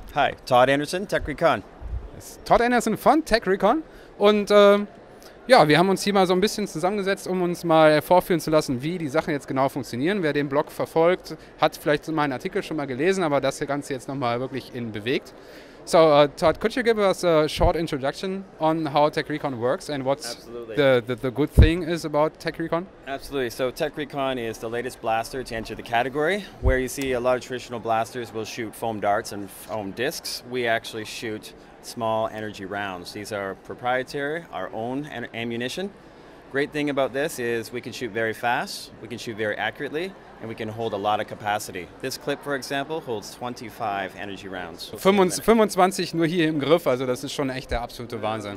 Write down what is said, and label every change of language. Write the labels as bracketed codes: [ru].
[en] Hi, Todd Anderson, Tech Recon. [de] Todd Anderson von Tech Recon und ja, wir haben uns hier mal so ein bisschen zusammengesetzt, um uns mal vorführen zu lassen, wie die Sachen jetzt genau funktionieren. Wer den Blog verfolgt, hat vielleicht meinen Artikel schon mal gelesen, aber das Ganze jetzt nochmal wirklich in bewegt. [en] So, Todd, could you give us a short introduction on how Tech Recon works and what's the good thing is about Tech Recon? Absolutely. So Tech Recon is the latest blaster to enter the category, where you see a lot of traditional blasters will shoot foam darts and foam discs. We actually shoot small energy rounds. These are proprietary, our own ammunition. Great thing about this is we can shoot very fast, we can shoot very accurately, and we can hold a lot of capacity. This clip, for example, holds 25 energy rounds. [de] 25 nur hier im Griff, also das ist schon echt der absolute Wahnsinn.